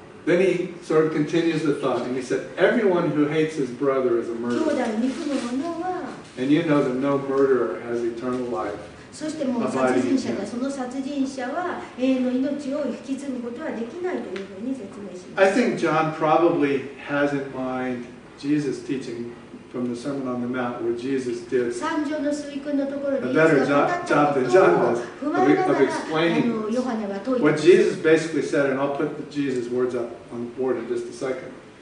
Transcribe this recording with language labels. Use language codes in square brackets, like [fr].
[en] Then he sort of continues the thought and he said, everyone who hates his brother is a murderer. And you know that no murderer has eternal life. [ja] そしてもう殺人者がその殺人者は永遠の命を引き継ぐことはできないというふうに説明します。 [en] I think John probably has in mind Jesus' teaching from the Sermon on the Mount where Jesus did a better job than John does of explaining what Jesus basically said, and I'll put Jesus' words up on the board in just a second.